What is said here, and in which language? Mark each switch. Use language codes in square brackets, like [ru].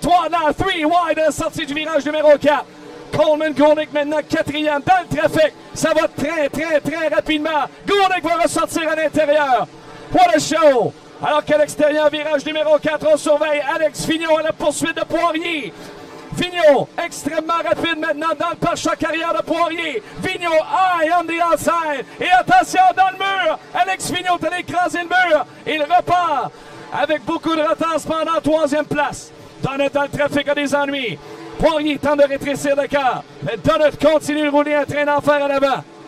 [fr] 3 dans 3 wide à la sortie du virage numéro 4. Coleman Golick maintenant quatrième dans le trafic. Ça va très, très, très rapidement. Golick va ressortir à l'intérieur. [en] What a show! [fr] Alors qu'à l'extérieur, virage numéro 4, on surveille Alex Vigneault à la poursuite de Poirier. Vigneault extrêmement rapide maintenant dans le pare-choc arrière de Poirier. [en] Vigneault high on the outside. [fr] Et attention dans le mur. Alex Vigneault a écrasé le mur. Il repart. Avec beaucoup de retard cependant, troisième place. Donnett dans le trafic a des ennuis. Poirier tente de rétrécir le quart. Mais Donnett continue de rouler un train d'enfer à l'avant.